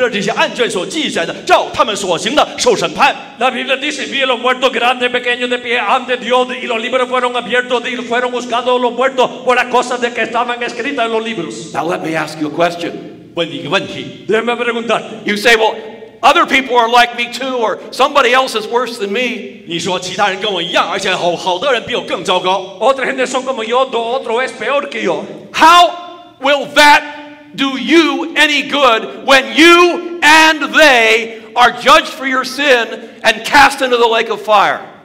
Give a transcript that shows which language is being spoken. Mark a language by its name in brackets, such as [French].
[Chinese] 圣经里面这样讲，我看见死了人，无论大小，全部的人都站在宝座前，案卷展开了。死了人都凭着这些案卷所记载的，照他们所行的受审判。 [Spanish] La Biblia dice, vi los muertos grandes, pequeños, de pie ante Dios, y los libros fueron abiertos, y fueron juzgados los muertos por las cosas de que estaban escritas en los libros. [English] Now let me ask you a question. [Chinese] 问你一个问题。 [Spanish] Déjame preguntarte. [English] You say, well, other people are like me too, or somebody else is worse than me. [Chinese] 你说其他人跟我一样，而且好好多人比我更糟糕。 [Spanish] Otra gente son como yo, otro es peor que yo. [English] How will that do you any good when you and they are judged for your sin and cast into the lake of fire?